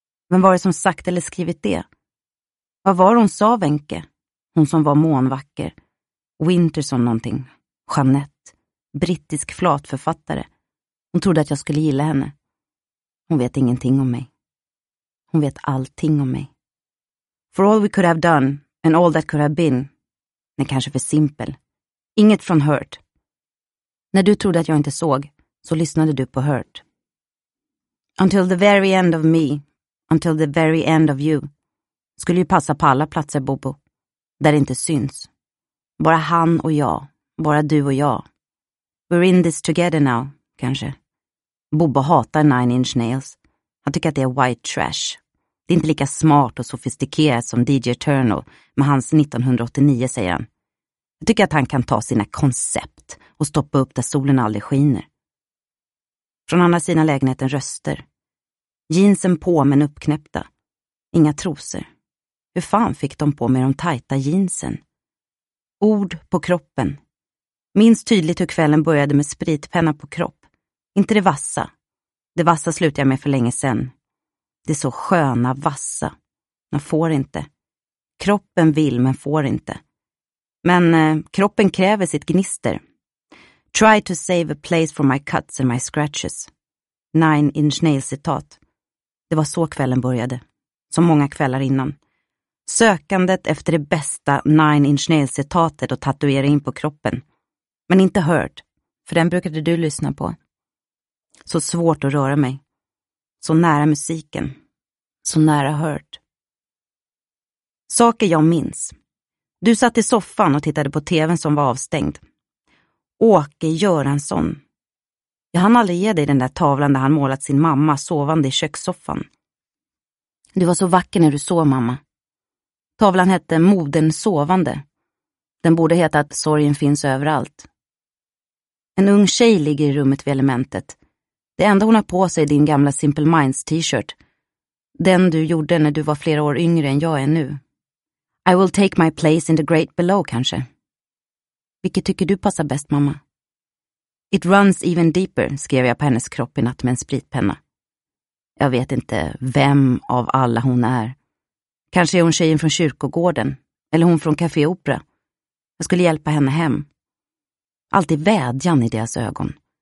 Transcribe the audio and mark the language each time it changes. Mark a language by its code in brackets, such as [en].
[sv] Men var det som sagt eller skrivit det? Vad var hon sa, Wenche? Hon som var månvacker. Winterson någonting. Jeanette. Brittisk flatförfattare. Hon trodde att jag skulle gilla henne. Hon vet ingenting om mig. Hon vet allting om mig. [en] For all we could have done and all that could have been. [sv] Nej, kanske för simpel. Inget från Hurt. När du trodde att jag inte såg, så lyssnade du på Hurt. [en] Until the very end of me. Until the very end of you. [sv] Skulle ju passa på alla platser, Bobo. Där det inte syns. Bara han och jag. Bara du och jag. [en] We're in this together now, kanske. [sv] Bobo hatar Nine Inch Nails. Han tycker att det är white trash. Det är inte lika smart och sofistikerat som DJ Eternal med hans 1989, säger han. Jag tycker att han kan ta sina koncept och stoppa upp där solen aldrig skiner. Från andra sidan lägenheten röster. Jeansen på men uppknäppta. Inga trosor. Hur fan fick de på med de tajta jeansen? Ord på kroppen. Minns tydligt hur kvällen började med spritpenna på kropp. Inte det vassa. Det vassa slutade jag med för länge sedan. Det är så sköna vassa. Man får inte. Kroppen vill men får inte. Men kroppen kräver sitt gnister. [en] Try to save a place for my cuts and my scratches. [sv] Nine Inch Nails citat. Det var så kvällen började. Som många kvällar innan. Sökandet efter det bästa Nine Inch Nails citatet och tatuera in på kroppen. Men inte Hurt. För den brukade du lyssna på. Så svårt att röra mig. Så nära musiken. Så nära Hurt. Saker jag minns. Du satt i soffan och tittade på tvn som var avstängd. Åke Göransson. Jag hann aldrig ge dig den där tavlan där han målat sin mamma sovande i kökssoffan. Du var så vacker när du sov, mamma. Tavlan hette Moden sovande. Den borde heta att sorgen finns överallt. En ung tjej ligger i rummet vid elementet. Det enda hon har på sig är din gamla Simple Minds t-shirt. Den du gjorde när du var flera år yngre än jag är nu. [en] I will take my place in the great below, kanske. [sv] Vilket tycker du passar bäst, mamma? [en] It runs even deeper, [sv] skrev jag på hennes kropp i natt med en spritpenna. Jag vet inte vem av alla hon är. Kanske är hon tjejen från kyrkogården. Eller hon från Café Opera. Jag skulle hjälpa henne hem. Alltid vädjan i deras ögon.